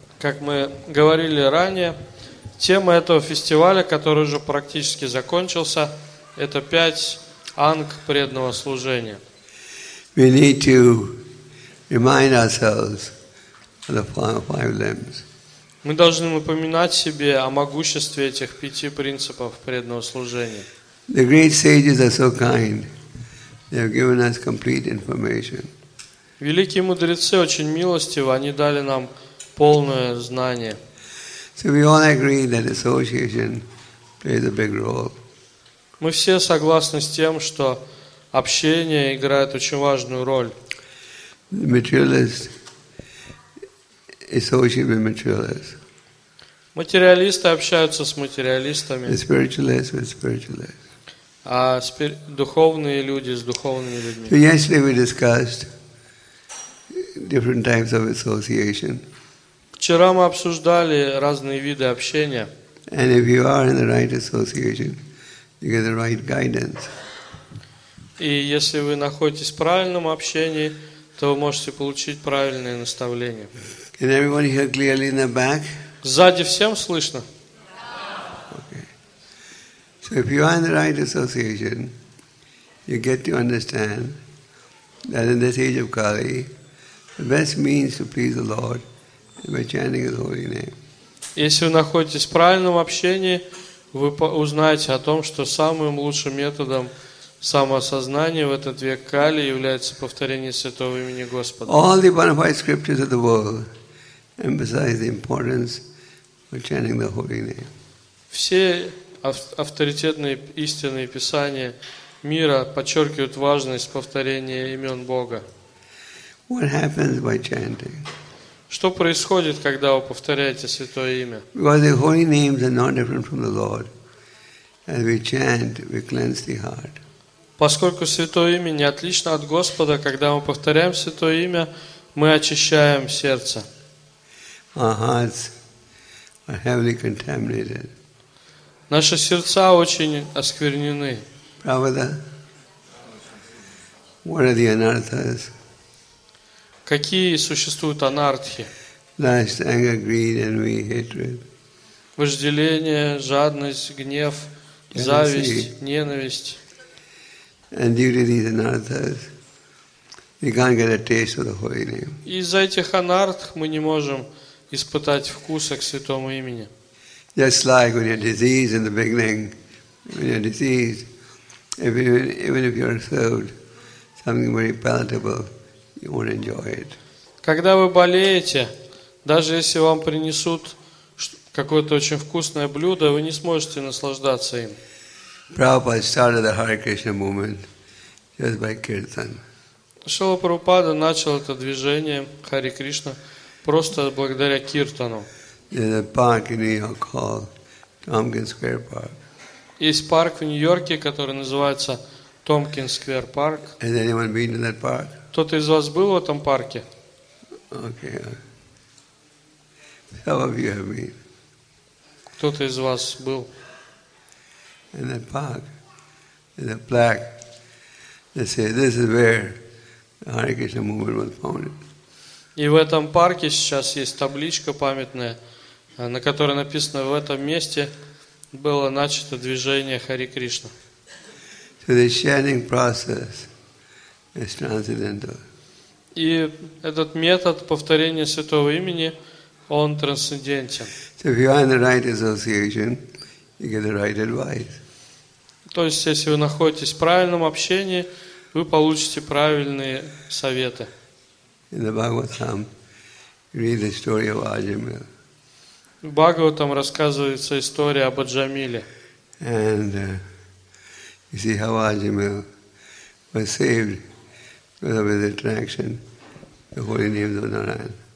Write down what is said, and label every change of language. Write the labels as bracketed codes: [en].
[ru] Как мы говорили ранее, тема этого фестиваля, который уже практически закончился, это пять анг преданного служения. [en] We need to remind ourselves of the five limbs. [ru] Мы должны напоминать себе о могуществе этих пяти принципов преданного служения. [en] The great sages are so kind. They have given us complete information. [ru] Великие мудрецы очень милостивы, они дали нам полное знание. [en] So we all agree that association plays a big role. [ru] Мы все согласны с тем, что общение играет очень важную роль. [en] The materialist associate with materialist. [ru] Материалисты общаются с материалистами. [en] The spiritualist with spiritualist. [ru] А духовные люди с духовными людьми. [en] So yesterday we discussed different types of association. [ru] Вчера мы обсуждали разные виды общения. [en] And if you are in the right association, you get the right guidance. [ru] И если вы находитесь в правильном общении, то вы можете получить правильное наставление. [en] Can everyone hear clearly in the back? [ru] Сзади всем слышно? [en] If you are in the right association, you get to understand that in this age of Kali, the best means to please the Lord is by chanting His holy name. [ru] Если вы находитесь в правильном общении, вы узнаете о том, что самым лучшим методом самоосознания в этот век Кали является повторение святого имени Господа. [en] All the bona fide scriptures of the world emphasize the importance of chanting the holy name. [ru] Все авторитетные истинные писания мира подчеркивают важность повторения имен Бога. [en] What happens by chanting? [ru] Что происходит, когда вы повторяете святое имя? [en] Because the holy names are not different from the Lord. As we chant, we cleanse the heart. [ru] Поскольку святое имя не отлично от Господа, когда мы повторяем святое имя, мы очищаем сердце. [en] Our hearts are heavily contaminated. [ru] Наши сердца очень осквернены. Правда? [en] What are the anarthas? [ru] Какие существуют анархи? [en] Lust, anger, greed, envy, hatred. [ru] Вожделение, жадность, гнев, зависть, ненависть. [en] And due to these anarthas, we can't get a taste of the holy name. [ru] Из-за этих анартх мы не можем испытать вкуса к святому имени. [en] Just like when you're diseased in the beginning, when you're diseased, even if you're served something very palatable, you won't enjoy it. [ru] Когда вы болеете, даже если вам принесут какое-то очень вкусное блюдо, вы не сможете наслаждаться им. [en] Prabhupada started the Hare Krishna movement just by kirtan. [ru] Шрила Прабхупада начал это движение Хари Кришна просто благодаря киртану. [en] There's a park in New York called Tompkins Square Park. [ru] Есть парк в Нью-Йорке, который называется Tompkins Square Park. [en] Has anyone been to that park? [ru] Кто-то из вас был в этом парке? [en] Okay. Some of you have been. [ru] Кто-то из вас был? [en] In that park, there's a plaque that says, "This is where Hare Krishna movement was founded. [ru] И в этом парке сейчас есть табличка памятная, на которой написано: в этом месте было начато движение Хари Кришна. [en] So the chanting process is transcendental. [ru] И этот метод повторения святого имени, он трансцендентен. [en] So if you are in the right association, you get the right advice. [ru] То есть, если вы находитесь в правильном общении, вы получите правильные советы. [en] In the Bhagavatam, read the story of Ajamil. [ru] В Бхагаватам рассказывается история об Аджамиле. [en] And you see how Ajamil was saved because of his attraction to holy names of Narayan.